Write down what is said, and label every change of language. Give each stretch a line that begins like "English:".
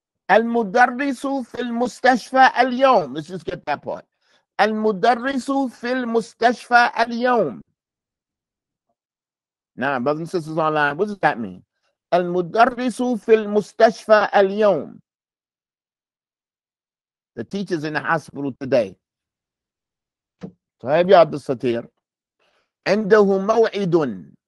Arabic: المدرس في المستشفى اليوم.
English: Let's just get that part.
Arabic: المدرس في المستشفى اليوم.
English: Now, brothers and sisters online, what does that mean?
Arabic: المدرس في المستشفى اليوم.
English: The teacher's in the hospital today.
Arabic: طيب يا عبد الستير. عنده موعد.